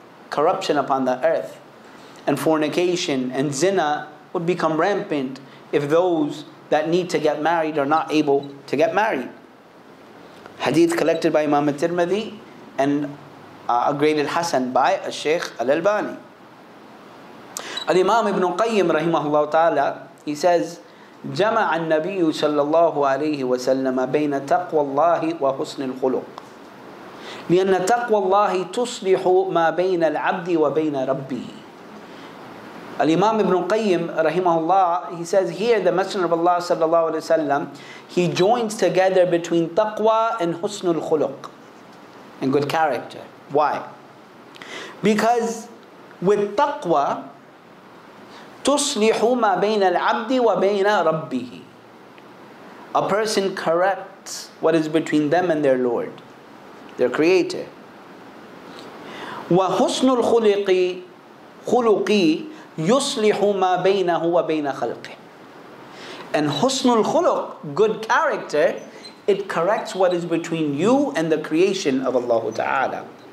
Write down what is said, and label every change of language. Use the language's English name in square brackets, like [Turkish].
[English] Corruption upon the earth. And fornication and zina would become rampant if those that need to get married are not able to get married. Hadith collected by Imam al-Tirmidhi and upgraded Hassan by a Sheikh al-Albani. Al-Imam ibn Qayyim rahimahullah ta'ala, he says, [Arabic] جمع النبي صلى الله عليه وسلم بين تقوى الله وحسن الخلق لأن تقوى الله تصلح ما بين العبد وبين ربه. [English] الإمام ابن قيم رحمه الله, he says here the Messenger of Allah صلى الله عليه وسلم, he joins together between تقوى and حسن الخلق and good character. Why? Because with [Arabic] تقوى تُصْلِحُ مَا بَيْنَ الْعَبْدِ وَبَيْنَ رَبِّهِ. [English] A person corrects what is between them and their Lord, their Creator. [Arabic] وَحُسْنُ الْخُلُقِ خُلُقِي يُصْلِحُ مَا بَيْنَهُ وَبَيْنَ خَلْقِهِ. [English] And حُسْنُ الْخُلُق, good character, it corrects what is between you and the creation of Allah Ta'ala.